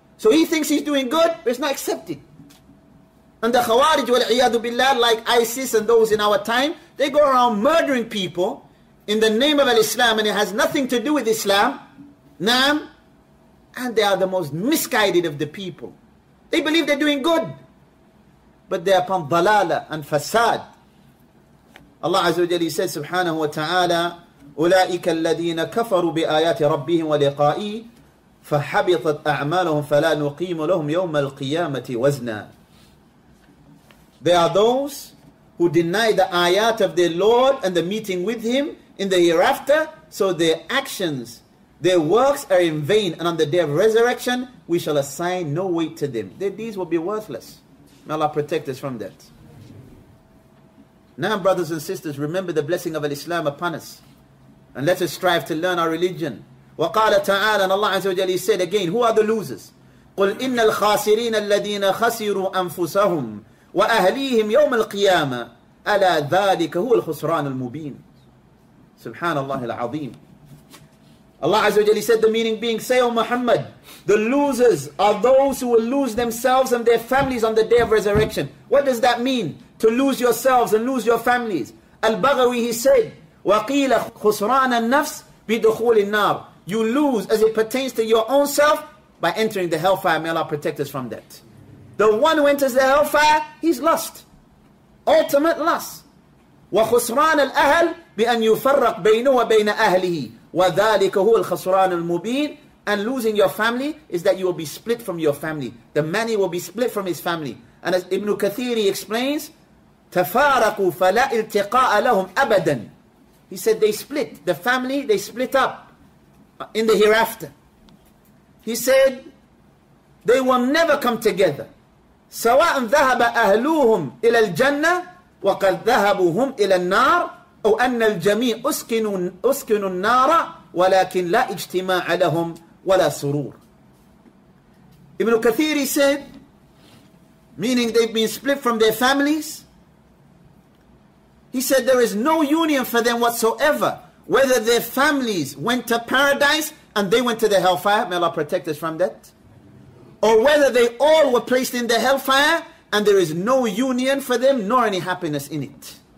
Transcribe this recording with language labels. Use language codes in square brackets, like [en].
[en] So he thinks he's doing good, but it's not accepted. And the Khawarij wal-iyadu billah, like ISIS and those in our time, they go around murdering people in the name of al-Islam, and it has nothing to do with Islam. Naam. And they are the most misguided of the people. They believe they're doing good, but they're upon dalala and fasad. Allah Azza wa Jalla says, subhanahu wa ta'ala, [ar] أُولَٰئِكَ الَّذِينَ كَفَرُوا بِآيَاتِ رَبِّهِمْ وَلِقَائِهِ فَحَبِطَتْ أَعْمَالُهُمْ فَلَا نُقِيمُ لَهُمْ يَوْمَ الْقِيَامَةِ وَزْنًا. [en] They are those who deny the ayat of their Lord and the meeting with Him in the hereafter, so their actions, their works are in vain, and on the day of resurrection, we shall assign no weight to them. Their deeds will be worthless. May Allah protect us from that. Now, brothers and sisters, remember the blessing of al-Islam upon us, and let us strive to learn our religion. [ar] وَقَالَ تَعَالَى. [en] And Allah Azza wa Jalla said again, who are the losers? [ar] قُلْ إِنَّ الْخَاسِرِينَ الَّذِينَ خَسِرُوا أَنفُسَهُمْ وأهليهم يوم القيامة ألا ذلك هو الخسران المبين سبحان الله العظيم. [en] Allah Azza wa Jalla said, the meaning being, say, O Muhammad, the losers are those who will lose themselves and their families on the day of resurrection. What does that mean? To lose yourselves and lose your families. Al-Baghawi, he said, [ar] وَقِيلَ خُسْرَانَ النَّفْسِ بِدُخُولِ النَّارِ. [en] You lose as it pertains to your own self by entering the hellfire. May Allah protect us from that. The one who enters the hellfire, he's lost. Ultimate loss. [ar] وَخُسْرَانَ الْأَهَلْ بِأَنْ يُفَرَّقْ بَيْنُهُ وَبَيْنَ أَهْلِهِ. وَذَٰلِكَ هُوَ الْخَسْرَانُ الْمُبِينُ. [en] And losing your family is that you will be split from your family. The many will be split from his family. And as Ibn Kathir explains, [ar] تَفَارَقُوا فَلَا إِلْتِقَاءَ لَهُمْ أَبَدًا. [en] He said they split. The family, they split up in the hereafter. He said they will never come together. [ar] سَوَاءً ذَهَبَ أَهْلُوهُمْ إِلَى الْجَنَّةِ وَقَدْ ذَهَبُوهُمْ إِلَى النَّارِ. أو أن الجميع أسكنوا النار ولكن لا اجتماع لهم ولا سرور. [en] Ibn Kathir said, meaning they've been split from their families. He said there is no union for them whatsoever, whether their families went to paradise and they went to the hellfire, may Allah protect us from that, or whether they all were placed in the hellfire and there is no union for them nor any happiness in it.